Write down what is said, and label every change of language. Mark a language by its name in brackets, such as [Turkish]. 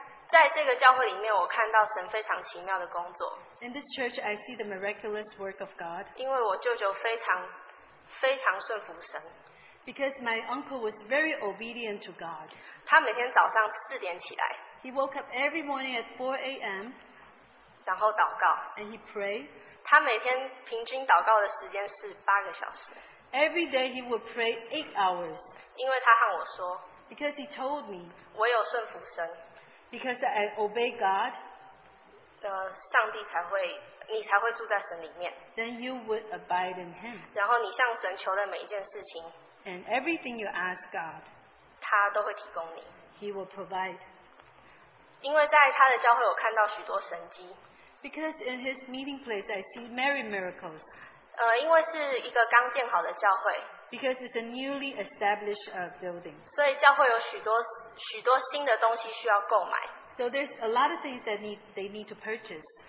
[Chinese] 在这个教会里面, 我看到神非常奇妙的工作, [English] in this church, I see the miraculous work of God. [Chinese] 因为我舅舅非常顺服神, [English] because my uncle was very obedient to God. [Chinese] 他每天早上4点起来, [English] he woke up every morning at 4 a.m. [Chinese] 然后祷告, [English] and he prayed. [Chinese] 他每天平均祷告的时间是8个小时. [English] Every day he would pray 8 hours. [Chinese] 因为他和我说, [English] because he told me, [Chinese] 我有顺服神, [English] because I obey God, [Chinese] 上帝才会, 你才会住在神里面, [English] then you would abide in him. [Chinese] 然后你向神求的每一件事情, [English] and everything you ask God, [Chinese] 他都会提供你, [English] he will provide. [Chinese] 因为在他的教会我看到许多神迹, [English] because in his meeting place, I see many miracles. [Chinese] 因为是一个刚建好的教会, [English] because it's a newly established building. [Chinese] 所以教会有许多新的东西需要购买. [English] So there's a lot of things that they need to purchase.